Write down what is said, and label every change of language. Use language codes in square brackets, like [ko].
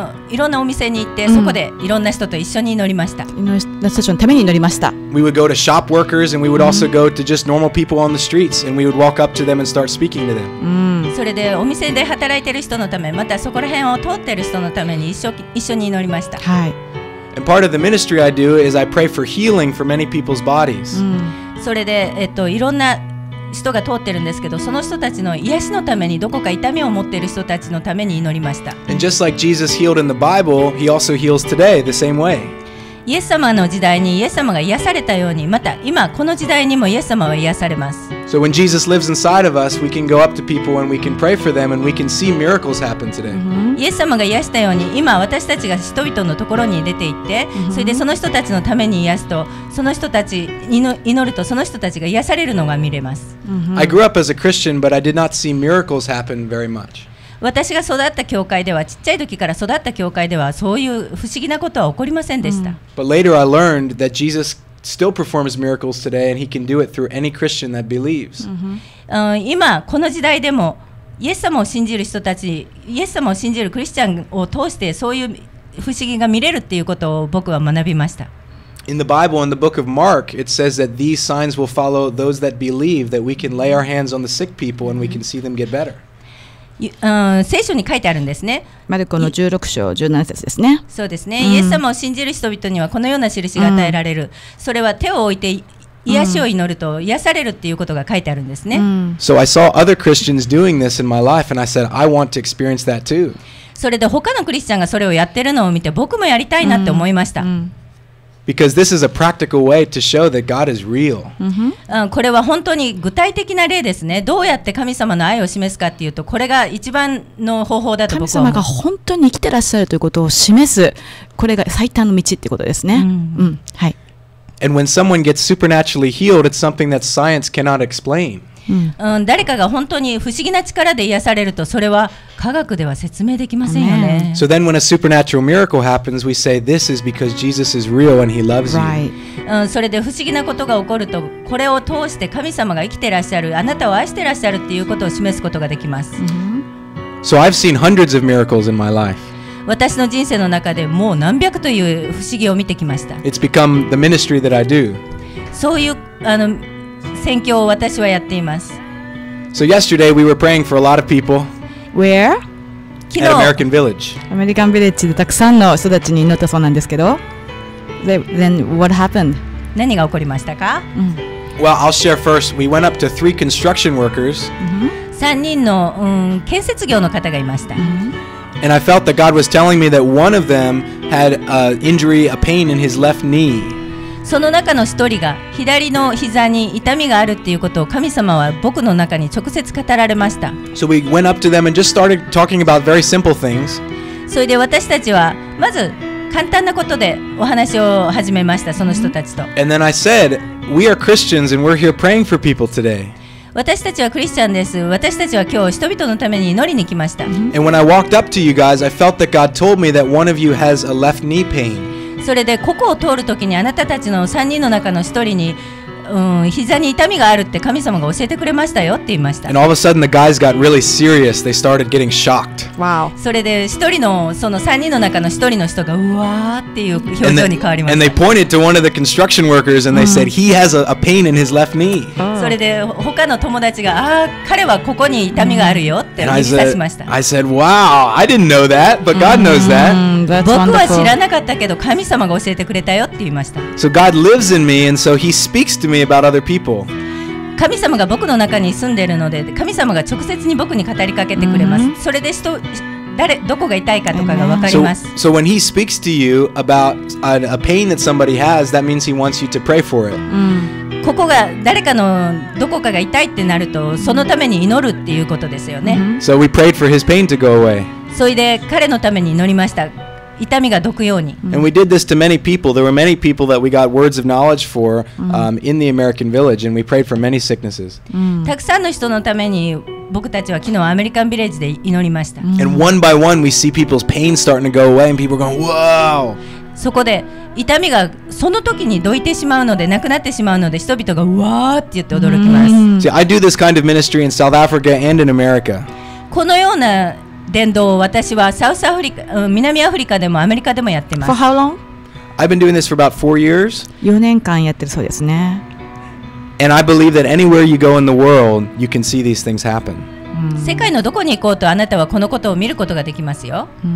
[ja] いろんなお店に行って、そこでいろんな人と一緒に乗りました。いろんな人たちのために乗りました。 [en] We would go to shop workers and we would also go to just normal people on the streets and we would walk up to them and start speaking to them. [ja] それでお店で働いてる人のため、またそこら辺を通ってる人のために一緒に乗りました。はい。 [en] And part of the ministry I do is I pray for healing for many people's bodies. [ja] それで、いろんな人が通ってるんですけど、その人たちの癒しのために、どこか痛みを持っている人たちのために祈りました。 [en] And just like Jesus healed in the Bible, he also heals today the same way. [ja] イエス様の時代にイエス様が癒されたように、また今この時代にもイエス様は癒されます。 [en] So when Jesus lives inside of us, we can go up to people and we can pray for them and we can see miracles happen today. [ja] イエス様が癒したように、今私たちが人々のところに出て行って、それでその人たちのために癒すと、その人たちに祈ると、その人たちが癒されるのが見れます。 [en] I grew up as a Christian, but I did not see miracles happen very much. [ja] 私が育った教会では、ちっちゃい時から育った教会ではそういう不思議なことは起こりませんでした。 [en] But later I learned that Jesus still performs miracles today and he can do it through any Christian that believes. [ja] 今この時代でもイエス様を信じる人たち、イエス様を信じるクリスチャンを通してそういう不思議が見れるっていうことを僕は学びました。 [en] In the Bible, in the book of Mark, it says that these signs will follow those that believe, that we can lay our hands on the sick people and we can see them get better. [ja] 聖書に書いてあるんですね。マルコの16章17節ですね。そうですね、イエス様を信じる人々にはこのような印が与えられる、それは手を置いて癒しを祈ると癒されるっていうことが書いてあるんですね。 [en] So I saw other Christians doing this in my life and I said, I want to experience that too. [ja] それで他のクリスチャンがそれをやってるのを見て僕もやりたいなって思いました。 [en] Because this is a practical way to show that God is real. [ja] これは本当に具体的な例ですね。どうやって神様の愛を示すかっていうと、これが一番の方法だと僕は思う。神様が本当に生きてらっしゃるということを示す、これが最短の道ってことですね。はい。 [en] And when someone gets supernaturally healed, it's something that science cannot explain. [ja] 誰かが本当に不思議な力で癒されると、それは科学では説明できませんよね。 [en] So then when a supernatural miracle happens, we say this is because Jesus is real and he loves you. Right. [ja] それで不思議なことが起こると、これを通して神様が生きてらっしゃる、あなたを愛してらっしゃるっていうことを示すことができます。 [en] So I've seen hundreds of miracles in my life. [ja] 私の人生の中でもう何百という不思議を見てきました。 [en] It's become the ministry that I do. [ja] そういう宣教を私はやっています。 [en] So yesterday we were praying for a lot of people. Where? At American Village. [ja] アメリカンビレッジでたくさんの人たちに祈ったそうなんですけど。 [en] Then what happened? [ja] 何が起こりましたか？ [en] Well, I'll share first. We went up to three construction workers. [ja] 3人の、建設業の方がいました。 [en] And I felt that God was telling me that one of them had an injury, a pain in his left knee. [ja] その中の一人が左の膝に痛みがあるっていうことを神様は僕の中に直接語られました。 [en] So we went up to them and just started talking about very simple things. [ja] それで私たちはまず簡単なことでお話を始めました、その人たちと。 [en] And then I said, we are Christians and we're here praying for people today. [ja] 私たちはクリスチャンです。私たちは今日人々のために祈りに来ました。 [en] And when I walked up to you guys, I felt that God told me that one of you has a left knee pain. [ja] それでここを通るときにあなたたちの3人の中の1人に、膝に痛みがあるって神様が教えてくれましたよって言いました。 [en] And all of a sudden the guys got really serious. They started getting shocked. Wow. [ja] それで1人のその3人の中の1人の人がうわーっていう表情に変わりました。 [en] And they pointed to one of the construction workers and they said he has a pain in his left knee. [ja] それで他の友達が、ああ、彼はここに痛みがあるよって指差しました。 [en] I said, wow, I didn't know that, but God knows that. [ja] 僕は知らなかったけど、神様が教えてくれたよって言いました。 [en] So God lives in me, and so he speaks to me about other people. [ja] 神様が僕の中に住んでいるので、神様が直接に僕に語りかけてくれます。それで人、誰、どこが痛いかとかが分かります。 [en] So when he speaks to you about a pain that somebody has, that means he wants you to pray for it. [ja] ここが誰かのどこかが痛いってなるとそのために祈るっていうことですよね。 [en] So we prayed for his pain to go away. [ja] それで彼のために祈りました。痛みがどくように。 [en] And we did this to many people. There were many people that we got words of knowledge for, in the American Village, and we prayed for many sicknesses. [ja] たくさんの人のために僕たちは昨日アメリカンビレッジで祈りました。 [en] And one by one, we see people's pain starting to go away, and people going, "Wow!" [ja] そこで痛みがその時にどいてしまうのでなくなってしまうので人々がうわーって言って驚きます。 [en] See, I do this kind of ministry in South Africa and in America. [ja] このような伝道を私はサウスアフリカ、南アフリカでもアメリカでもやってます。 [en] For how long? I've been doing this for about 4 years. [ja] 4年間やってるそうですね。 [en] And I believe that anywhere you go in the world, you can see these things happen. [ja] 世界のどこに行こうとあなたはこのことを見ることができますよ。